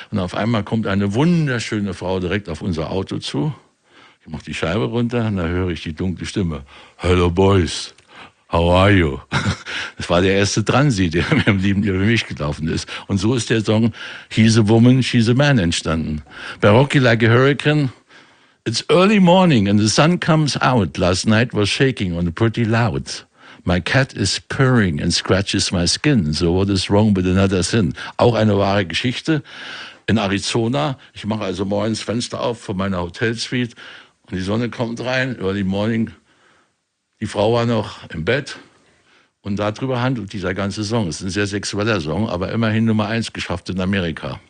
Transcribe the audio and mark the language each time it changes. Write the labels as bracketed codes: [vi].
[de] Und auf einmal kommt eine wunderschöne Frau direkt auf unser Auto zu. Ich mache die Scheibe runter und da höre ich die dunkle Stimme. [en] Hello Boys, how are you? [de] Das war der erste Transi, der mir im Leben über mich gelaufen ist. Und so ist der Song He's a Woman, She's a Man entstanden. Bei [en] Rocky Like a Hurricane, it's early morning and the sun comes out. Last night was shaking and pretty loud. My cat is purring and scratches my skin. So what is wrong with another sin? [de] Auch eine wahre Geschichte in Arizona. Ich mache also morgens Fenster auf von meiner Hotelsuite und die Sonne kommt rein, [en] early morning. [de] Die Frau war noch im Bett und darüber handelt dieser ganze Song. Es ist ein sehr sexueller Song, aber immerhin Nummer 1 geschafft in Amerika.